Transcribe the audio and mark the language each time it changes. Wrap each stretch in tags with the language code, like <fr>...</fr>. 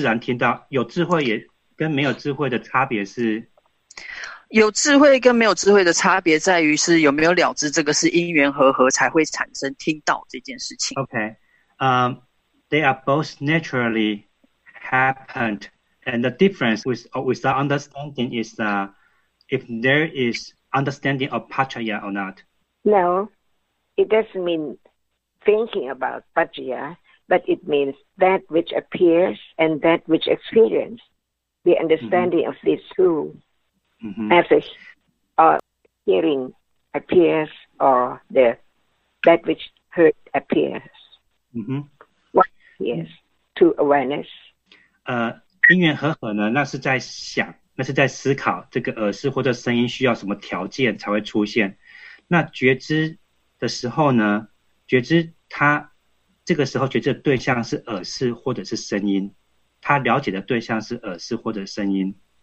<zh>那有跟没有的伴随的差别是什么？一个是有时候就会以为是自然的听到，他不会了解这是因缘和合才能产生听到这件事情。嗯，那有的就会就是邪见听到，他本来就是自然会听到啊。你现在的两个回答都是自然听到，有智慧也跟没有智慧的差别是？有智慧跟没有智慧的差别在于是有没有了知这个是因缘和合才会产生听到这件事情。</zh> <en>Okay, they are both naturally happened, and the difference with the understanding is if there is understanding of Pachaya or not. No, it doesn't mean thinking about Pachaya, but it means that which appears and that which experience, the understanding of these two. Mm-hmm. As a hearing appears, or the that which heard appears. Mm-hmm. What appears to awareness?</en> <zh>因缘和合呢, 那是在想, 那是在思考, 这个耳识或者声音需要什么条件才会出现。那觉知的时候呢, 觉知它, 这个时候觉知的对象是耳识或者是声音, 它了解的对象是耳识或者声音。</zh>